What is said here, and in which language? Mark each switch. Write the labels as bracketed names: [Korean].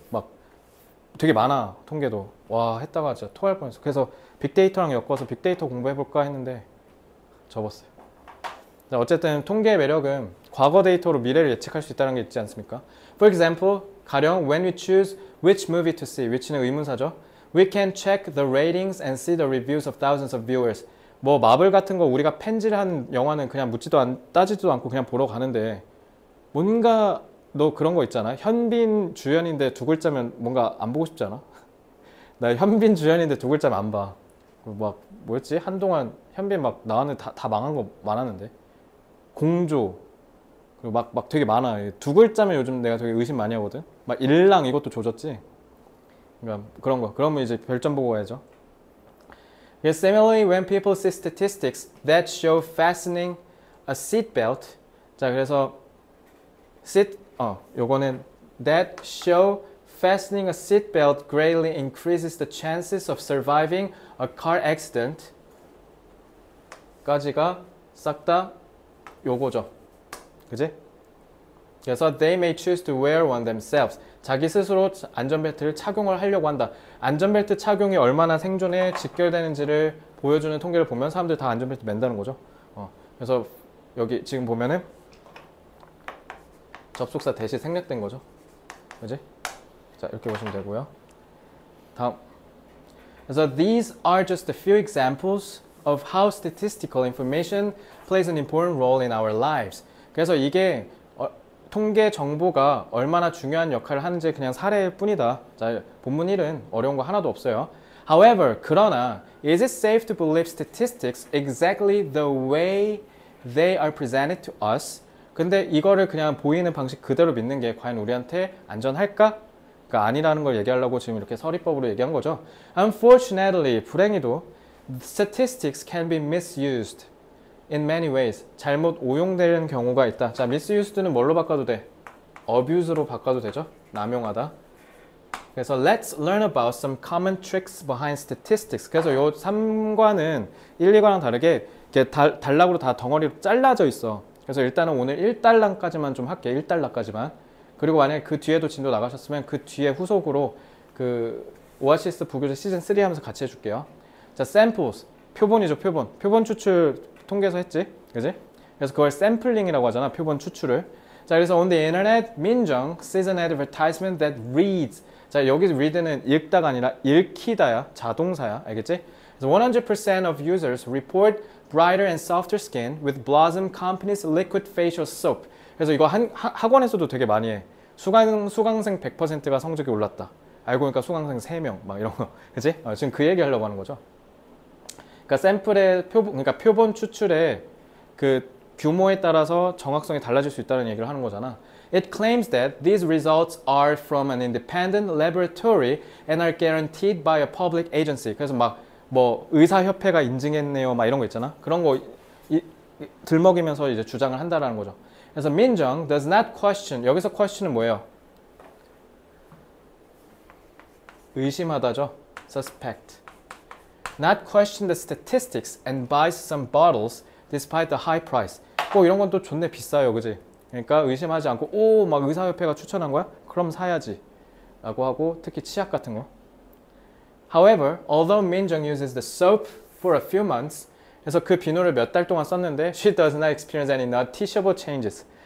[Korean] 막 되게 많아, 통계도. 와, 했다가 진짜 토할 뻔했어. 그래서 빅데이터랑 엮어서 빅데이터 공부해볼까 했는데 접었어요. 어쨌든 통계의 매력은 과거 데이터로 미래를 예측할 수 있다는 게 있지 않습니까? [English] For example, [Korean] 가령 [English] when we choose which movie to see, which [Korean] 는 의문사죠. [English] We can check the ratings and see the reviews of thousands of viewers. [Korean] 뭐 마블 같은 거 우리가 팬질한 영화는 그냥 묻지도 따지지도 않고 그냥 보러 가는데, 뭔가 너 그런 거 있잖아. 현빈 주연인데 두 글자면 뭔가 안 보고 싶지 않아? 나 현빈 주연인데 두 글자면 안 봐. 막 뭐였지? 한동안 현빈 막 나왔는데 다 망한 거 많았는데. 공조 그리고 막 되게 많아. 두 글자면 요즘 내가 되게 의심 많이 하거든. 막 일랑 이것도 조졌지. 그러니까 그런 거. 그러면 이제 별점 보고 가야죠. [English] Similarly, when people see statistics that show fastening a seat belt, [Korean] 자 그래서 요거는 [English] that show fastening a seat belt greatly increases the chances of surviving a car accident [Korean] 까지가 싹다 요거죠. 그지? [English] 그래서 they may choose to wear one themselves. [Korean] 자기 스스로 안전벨트를 착용을 하려고 한다. 안전벨트 착용이 얼마나 생존에 직결되는지를 보여주는 통계를 보면 사람들 다 안전벨트 맨다는 거죠. 그래서 여기 지금 보면은 접속사 대시 생략된 거죠. 그지? 자, 이렇게 보시면 되고요. 다음. [English] 그래서 these are just a few examples of how statistical information plays an important role in our lives. [Korean] 그래서 이게 통계 정보가 얼마나 중요한 역할을 하는지 그냥 사례일 뿐이다. 자, 본문 1은 어려운 거 하나도 없어요. [English] However, 그러나, is it safe to believe statistics exactly the way they are presented to us? [Korean] 근데 이거를 그냥 보이는 방식 그대로 믿는 게 과연 우리한테 안전할까? 그 아니라는 걸 얘기하려고 지금 이렇게 서리법으로 얘기한 거죠. [English] Unfortunately, 불행히도 statistics can be misused in many ways. [Korean] 잘못 오용되는 경우가 있다. 자, misused는 뭘로 바꿔도 돼? abuse로 바꿔도 되죠. 남용하다. [English] 그래서 let's learn about some common tricks behind statistics. [Korean] 그래서 요 3과는 1, 2과랑 다르게 이게 단락으로 다 덩어리로 잘라져 있어. 그래서 일단은 오늘 1단락까지만 좀 할게. 1단락까지만. 그리고 만약에 그 뒤에도 진도 나가셨으면 그 뒤에 후속으로 그 오아시스 부교재 시즌 3 하면서 같이 해줄게요. 자, samples. 표본이죠, 표본. 표본 추출 통계에서 했지? 그지? 그래서 그걸 샘플링이라고 하잖아, 표본 추출을. [English] 자, 그래서 on the internet, Minjung sees an advertisement that reads. [Korean] 자, 여기서 read는 읽다가 아니라 읽히다야, 자동사야. 알겠지? [English] 그래서 100% of users report brighter and softer skin with Blossom Company's liquid facial soap. [Korean] 그래서 이거 학원에서도 되게 많이 해. 수강생 100%가 성적이 올랐다. 알고 보니까 수강생 3명, 막 이런 거. 그지? 지금 그 얘기 하려고 하는 거죠. 그러니까 표본 추출의 그 규모에 따라서 정확성이 달라질 수 있다는 얘기를 하는 거잖아. [English] It claims that these results are from an independent laboratory and are guaranteed by a public agency. [Korean] 그래서 막뭐 의사협회가 인증했네요, 막 이런 거 있잖아. 그런 거 들먹이면서 이제 주장을 한다라는 거죠. 그래서 민정 [English] does not question. [Korean] 여기서 question은 뭐예요? 의심하다죠. Suspect. [English] Not question the statistics and buy some bottles despite the high price. [Korean] 꼭 이런 건또 존내 비싸요, 그지? 그러니까 의심하지 않고, 오, 막 의사협회가 추천한 거야? 그럼 사야지. 라고 하고, 특히 치약 같은 거. [English] However, although Minjung uses the soap for a few months, [Korean] 그래서 그 비누를 몇달 동안 썼는데, [English] she does not experience any noticeable changes.